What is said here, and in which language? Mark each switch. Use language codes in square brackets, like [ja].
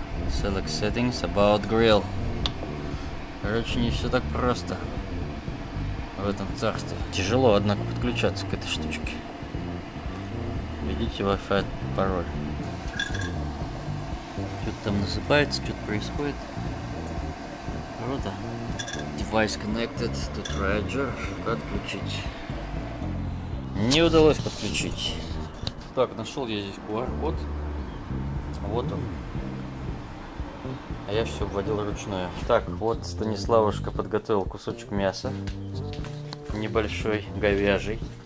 [en] Select settings about grill. [ru] Короче, не все так просто. В этом царстве. Тяжело, однако, подключаться к этой штучке. Введите Wi-Fi пароль. Что-то там называется, что-то происходит. Круто. [en] Device connected to Trager. [ru] Отключить. Не удалось подключить. Так, нашел я здесь QR-код. Вот он. А я все вводил ручное. Так, вот Станиславушка подготовил кусочек мяса. Небольшой, говяжий.